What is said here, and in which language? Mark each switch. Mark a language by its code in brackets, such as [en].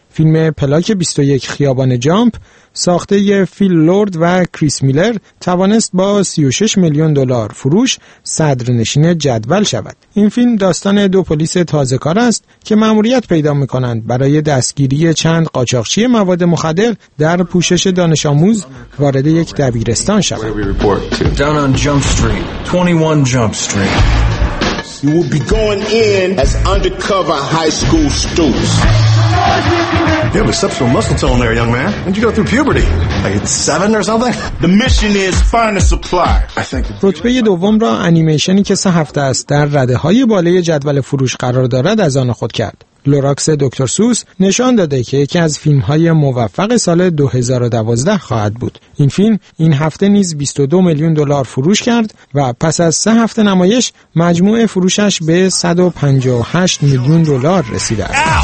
[fa] فیلم پلاک 21 خیابان جامپ ساخته فیل لورد و کریس میلر توانست با 36 میلیون دلار فروش صدرنشین جدول شود. این فیلم داستان دو پلیس تازه کار است که ماموریت پیدا می‌کنند برای دستگیری چند قاچاقچی مواد مخدر در پوشش دانش آموز وارد یک دبیرستان شوند. [en] Down on Jump Street, 21 Jump Street. You will be going in as undercover high school students. You have exceptional muscle tone there, young man. When did you go through puberty? Like at 7 or something? The mission is find a supply. [fa] رتبه دوم را انیمیشنی که 3 هفته است در رده‌های بالای جدول فروش قرار دارد از آن خود کرد. لوراکس دکتر سوس نشان داده که یکی از فیلم‌های موفق سال 2012 خواهد بود. این فیلم این هفته نیز 22 میلیون دلار فروش کرد و پس از 3 هفته نمایش مجموع فروشش به 158 میلیون دلار رسیده است.